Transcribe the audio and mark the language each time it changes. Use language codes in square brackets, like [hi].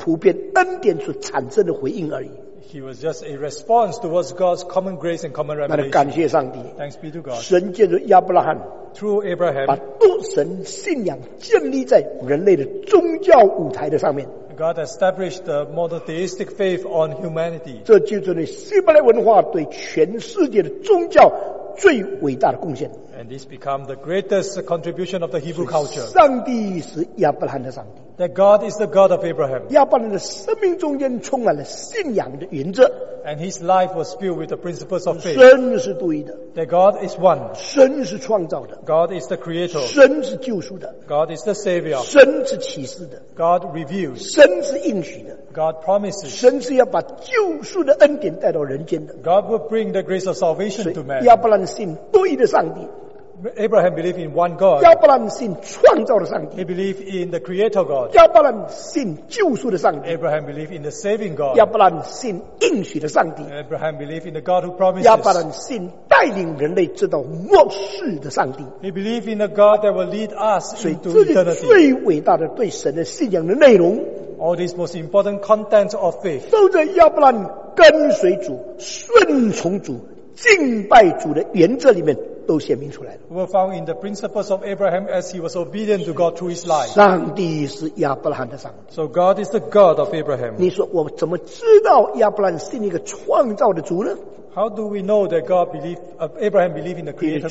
[zh] 这不过是人对上帝普遍启示一个普遍恩典所产生的回应而已。 [en] He was just a response towards God's common grace and common revelation. [zh] 那感谢上帝。 [en] Thanks be to God. [zh] 神借着亚伯拉罕。 [en] Through Abraham. [zh] 把多神信仰建立在人类的宗教舞台的上面。 [en] God established the monotheistic faith on humanity. [zh] 这就是希伯来文化对全世界的宗教最伟大的贡献。 [en] And this became the greatest contribution of the Hebrew culture. [zh] 上帝是亚伯拉罕的上帝。 [en] That God is the God of Abraham. [zh] 亚伯拉罕的生命中间充满了信仰的原则。 [en] And his life was filled with the principles of faith. [zh] 神是独一的。 [en] That God is one. [zh] 神是创造的。 [en] God is the creator. [zh] 神是救赎的。 [en] God is the savior. [zh] 神是启示的。 [en] God reveals. [zh] 神是应许的。 [en] God promises. [zh] 神是要把救赎的恩典带到人间的。 [en] God will bring the grace of salvation to man. [zh] 亚伯拉罕信独一的上帝。 [en] Abraham believed in one God. [zh] 亚伯拉罕信创造的上帝。 [en] He believed in the creator God. [zh] 亚伯拉罕信救赎的上帝。 [en] Abraham believed in the saving God. [zh] 亚伯拉罕信应许的上帝。 [en] Abraham believed in the God who promises. [zh] 亚伯拉罕信带领人类知道末世的上帝。 [en] He believed in the God that will lead us into eternity. [zh] 所以这是最伟大的对神的信仰的内容。 [en] All these most important contents of faith. [zh] 都在亚伯拉罕跟随主、顺从主、敬拜主的原则里面。 [en] were found in the principles of Abraham as he was obedient to God through his life. [zh] 上帝是亚伯拉罕的上帝。 [en] So God is the God of Abraham. [zh] 你说我怎么知道亚伯拉罕信一个创造的主呢？ [en] How do we know that God believed, Abraham believed in the creator God?